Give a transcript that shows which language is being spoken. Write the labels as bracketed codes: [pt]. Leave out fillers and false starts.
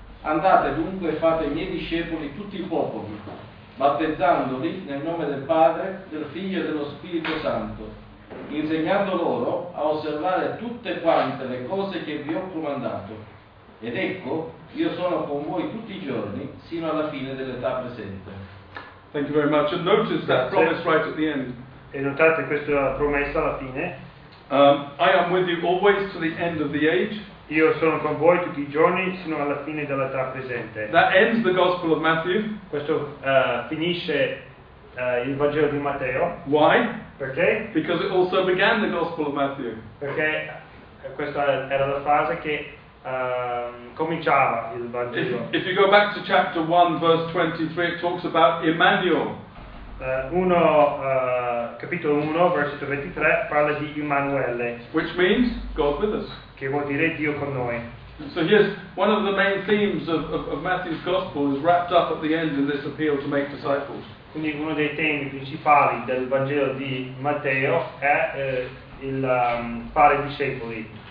[it] Andate dunque e fate i miei discepoli tutti i popoli, battezzandoli nel nome del Padre, del Figlio e dello Spirito Santo, insegnando loro a osservare tutte quante le cose che vi ho comandato. Ed ecco, io sono con voi tutti i giorni, sino alla fine dell'età presente. [en] Thank you very much. And notice that promise right at the end. [it] E notate questa promessa alla fine. [en] I am with you always to the end of the age. [it] Io sono con voi tutti i giorni sino alla fine dell'età presente. [en] That ends the Gospel of Matthew. [it] Questo finisce il Vangelo di Matteo. [en] Why? [it] Perché? [en] Because it also began the Gospel of Matthew. [it] Perché questa era la fase che cominciava il Vangelo. [en] If you go back to chapter 1, verse 23, it talks about Emmanuel. [it] Capitolo 1, versetto 23, parla di Emanuele. [en] Which means God with us. [it] Che vuol dire Dio con noi. [en] So here's one of the main themes of Matthew's Gospel is wrapped up at the end in this appeal to make disciples. [it] Quindi uno dei temi principali del Vangelo di Matteo è fare discepoli.